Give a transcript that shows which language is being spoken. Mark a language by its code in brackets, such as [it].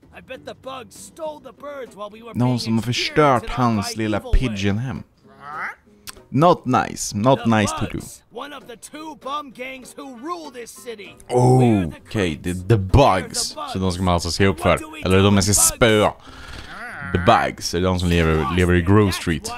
[en] I bet the bugs stole the birds while we were being... [sv] någon som har förstört hans lilla pigeon hem. [en] Not nice. Not the nice bugs, to do. One of the two bum gangs who rule this city. Oh, okay, the bugs. [sv] Så de ska man alltså se upp för, eller de ska spöa. The bugs är de som lever i Grove Street.